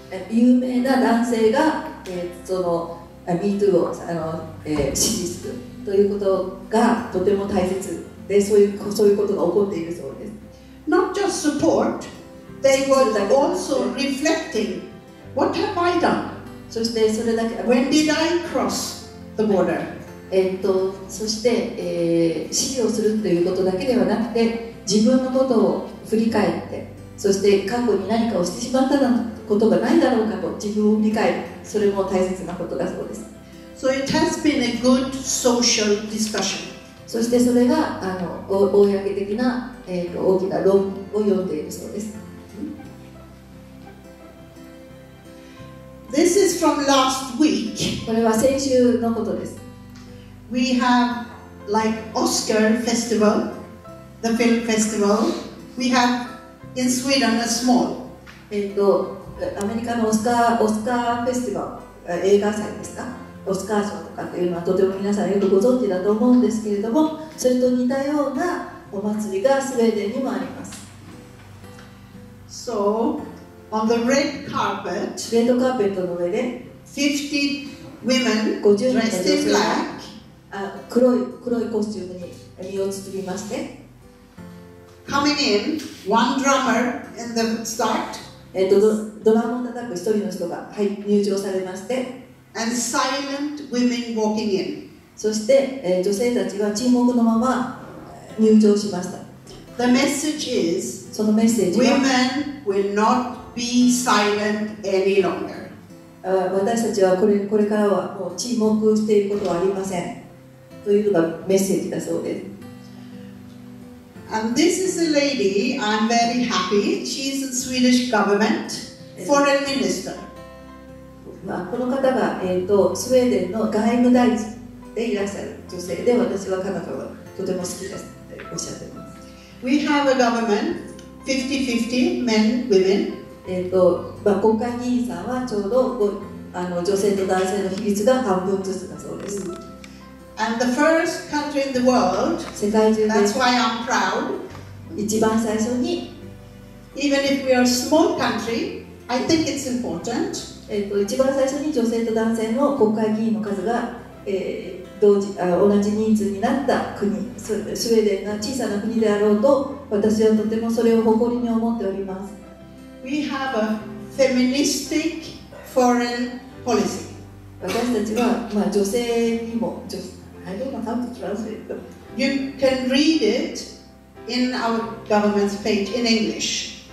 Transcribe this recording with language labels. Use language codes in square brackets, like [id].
[ja] 有名な男性が、その Me Too をあの、支持する。ということがとても大切で、そういうことが起こっているそうです。 [en] Not just support, they were also reflecting. What have I done? [ja] そしてそれだけ。 [en] When did I cross the border? [ja] そして、指示をするということだけではなくて、自分のことを振り返って、そして過去に何かをしてしまったことがないだろうかと自分を振り返る、それも大切なことだそうです。 [en] So it has been a good social discussion. [ja] そしてそれがあの公的な、大きな論を読んでいるそうです。 [en] This is from last week. [ja] これは先週のことです。 [en] We have like Oscar festival, the film festival. We have in Sweden a small. [ja] アメリカのオスカーフェスティバル、映画祭ですか、オスカー賞とかっていうのはとても皆さんよくご存知だと思うんですけれども、それと似たようなお祭りがスウェーデンにもあります。 [en] So on the red carpet, [ja] レッドカーペットの上で [en] 50 women dressed in black, [ja] 黒いコスチュームに身を包みまして、 [en] Coming in, one drummer in the start. [ja] ドラムを叩く一人の人が、はい、入場されまして、 [en] And silent women walking in. [ja] そして、女性たちは沈黙のまま入場しました。 [en] The message is, [ja] そのメッセージは、 [en] Women will not be silent any longer. [ja] 私たちはこれからはもう沈黙していることはありませんというのがメッセージだそうです。 [en] And this is a lady I'm very happy. She's in Swedish government, foreign minister. [ja] まあこの方がスウェーデンの外務大臣でいらっしゃる女性で、私は彼女がとても好きですっておっしゃってます。 [en] We have a government 50-50 men women. [ja] まあ国会議員さんはちょうど女性と男性の比率が半分ずつだそうです。 [en] And the first country in the world, that's why I'm proud. [ja] 一番最初に [en] Even if we are a small country, I think it's important. [ja] 一番最初に女性と男性の国会議員の数が、同じ人数になった国、スウェーデンが小さな国であろうと、私はとてもそれを誇りに思っております。 [en] We have a feministic foreign policy. [ja] 私たちは、まあ、女性にも [en] I don't know how to translate them. You can read it in our government's page in English.